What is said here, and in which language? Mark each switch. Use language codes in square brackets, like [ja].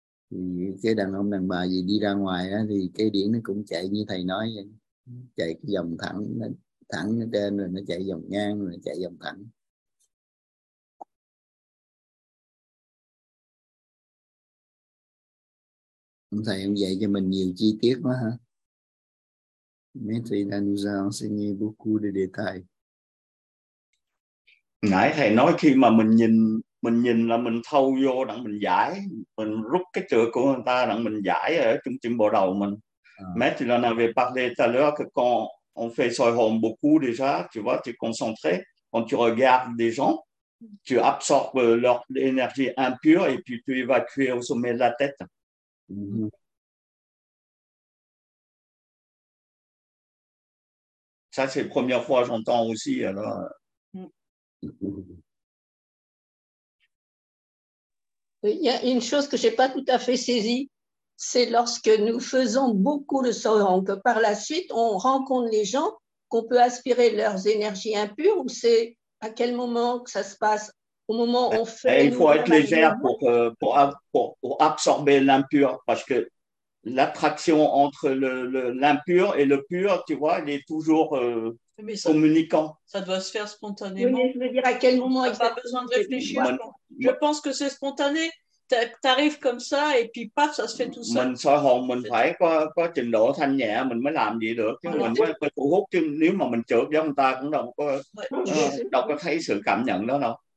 [vi] Thì cái đàn ông đàn bà gì đi ra ngoài đó, thì cái điểm nó cũng chạy như thầy nói vậy. Chạy cái dòng thẳng, nó thẳng ở trên rồi nó chạy dòng ngang rồi nó chạy dòng thẳng. Ông thầy ông dạy cho mình nhiều chi tiết quá hả? [fr] Maître đã nous a enseigné beaucoup de détails. [vi] Nãy thầy nói khi mà mình nhìn là mình thâu vô đặng mình giải, mình rút cái chữ của người ta đặng mình giải ở trung tâm bộ đầu mình. [fr] Mais il en avait parlé tout à l'heure que quand on fait soi home beaucoup déjà, tu vois, tu es concentré, quand tu regardes des gens, tu absorbes leur énergie impure et puis tu évacues au sommet de la tête. Ça, c'est la première fois que j'entends aussi, alors... Il y a une chose que je n'ai pas tout à fait saisie, c'est lorsque nous faisons beaucoup de sorong, que par la suite on rencontre les gens, qu'on peut aspirer leurs énergies impures, ou c'est à quel moment que ça se passe? Au moment où on fait. Il faut être légère pour absorber l'impur, parce que l'attraction entre l'impur et le pur, tu vois, il est toujours. Mais ça, communiquant. Ça doit se faire spontanément. Oui, je veux dire, à quel moment il n'y a pas besoin de réfléchir. Je pense que c'est spontané. Tu arrives comme ça et puis paf, ça se fait tout seul. [vi] Mình soi hồn, mình phải có trình độ thanh nhẹ, mình mới làm gì được. Chứ mình có thu hút, chứ nếu mà mình chợt với người ta cũng đâu có thấy sự cảm nhận đó đâu.